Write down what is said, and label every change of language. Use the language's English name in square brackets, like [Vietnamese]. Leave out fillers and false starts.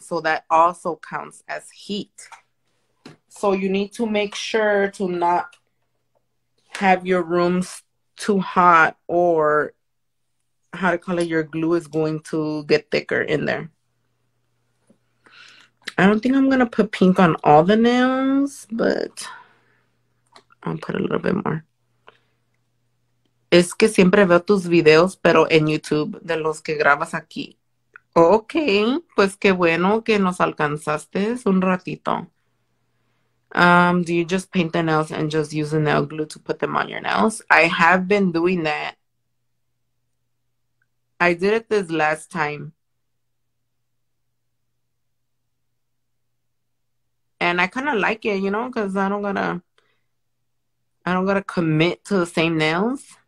[English] So that also counts as heat. So you need to make sure to not have your rooms too hot or, how to call it, your glue is going to get thicker in there. I don't think I'm going to put pink on all the nails, but I'll put a little bit more. [Spanish] Es que siempre veo tus videos, pero en YouTube, de los que grabas aquí. Okay, pues qué bueno que nos alcanzaste un ratito. [English] Do you just paint the nails and just use the nail glue to put them on your nails? I have been doing that. I did it this last time. And I kind of like it, you know, because I don't gotta commit to the same nails.